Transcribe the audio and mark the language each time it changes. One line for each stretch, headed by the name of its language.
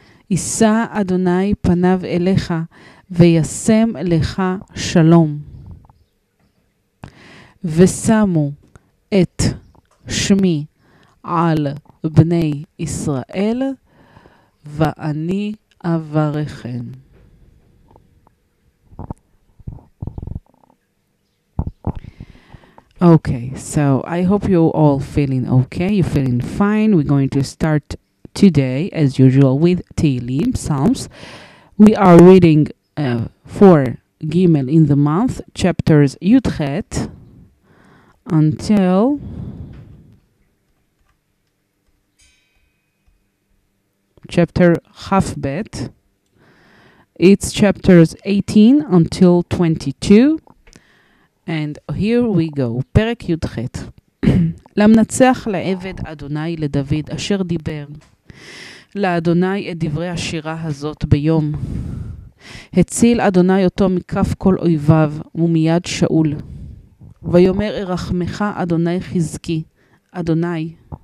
Hebrew: ישא אדוני פניו אליך וישם לך שלום ושמו את שמי על בני ישראל ואני אברכם
English: Okay, so I hope you're all feeling okay, you're feeling fine. We're going to start today, as usual, with Teheilim, Psalms. We are reading 4 Gimel in the month, chapters Yudchet, until chapter Chafbet. It's chapters 18 until 22. And here we go,
Hebrew: פרק י"ח. למנצח לעבד אדוני לדוד אשר דיבר לאדוני את דברי השירה הזאת ביום. הציל אדוני אותו מכף כל אויביו ומיד שאול. ויאמר ארחמך אדוני חזקי, אדוני.